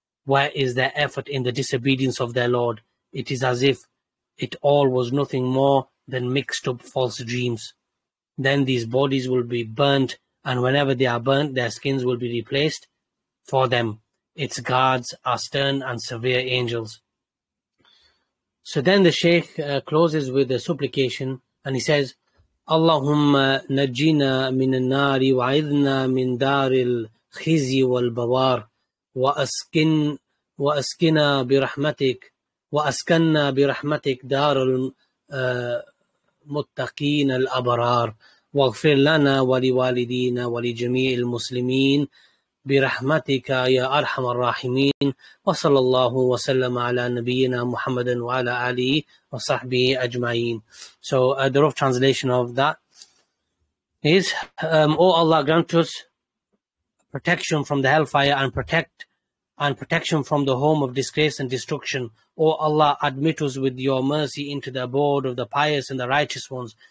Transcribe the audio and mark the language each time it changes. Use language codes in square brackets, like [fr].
[en] Where is their effort in the disobedience of their Lord? It is as if it all was nothing more than mixed up false dreams. Then these bodies will be burnt, and whenever they are burnt, their skins will be replaced for them. Its guards are stern and severe angels. So then the Sheikh closes with a supplication, and he says, [ar] اللهم نجينا من النار وعذنا من دار الخزي والبوار وأسكننا برحمتك دار المتقين الأبرار واغفر لنا ولوالدينا ولجميع المسلمين برحمتك يا أرحم الراحمين وصلى الله وسلم على نبينا محمد وعلى آله وصحبه أجمعين. [en] So the rough translation of that is, O Allah, grant us protection from the hellfire and protection from the home of disgrace and destruction. O Allah, admit us with your mercy into the abode of the pious and the righteous ones.